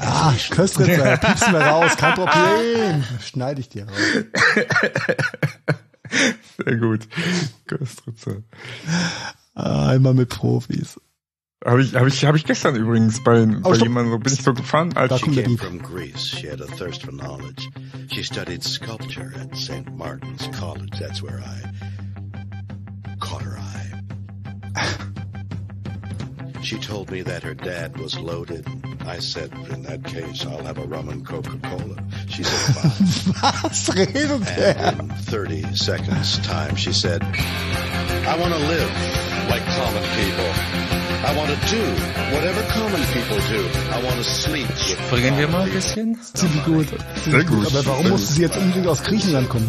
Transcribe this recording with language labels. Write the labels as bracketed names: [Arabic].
[German] Ah, Köstritzer, piepsen wir raus. Kein Problem. Schneide ich dir raus. Sehr gut. Köstritzer. Einmal mit Profis. Habe ich gestern übrigens bei jemandem so, bin ich so gefahren, als [English] she came from Greece. She had a thirst for knowledge. She studied sculpture at St. Martin's College. That's where I caught her eye. She told me that her dad was loaded. I said, in that case, I'll have a rum and Coca-Cola. She said, fine. [German] Was redet der? [English] In 30 seconds time, she said, I want to live like common people. I want to do whatever common people do. I want to sleep. [German] Bringen wir mal ein bisschen? Ziemlich gut. Sehr gut. Aber warum musste sie jetzt unbedingt aus Griechenland kommen?